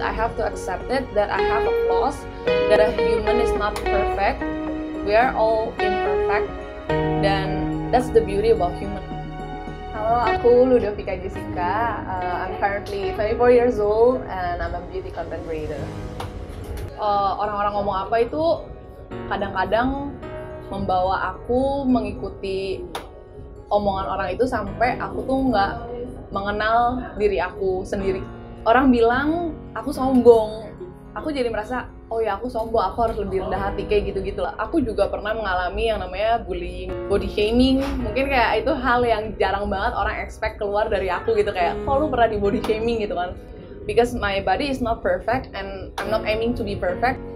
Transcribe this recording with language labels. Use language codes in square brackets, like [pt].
[en] I have to accept it that I have a flaws, that a human is not perfect. We are all imperfect, dan that's the beauty about human. [id] Halo, aku Ludovica Jessica. [en] I'm currently 24 years old and I'm a beauty content creator. [id] Orang-orang ngomong apa itu kadang-kadang membawa aku mengikuti omongan orang itu sampai aku tuh nggak mengenal diri aku sendiri. Orang bilang aku sombong, aku jadi merasa, oh ya aku sombong, aku harus lebih rendah hati, kayak gitu-gitu lah. Aku juga pernah mengalami yang namanya bullying, body shaming. Mungkin kayak itu hal yang jarang banget orang expect keluar dari aku gitu, kayak kok lu pernah di body shaming gitu kan. [en] Because my body is not perfect and I'm not aiming to be perfect.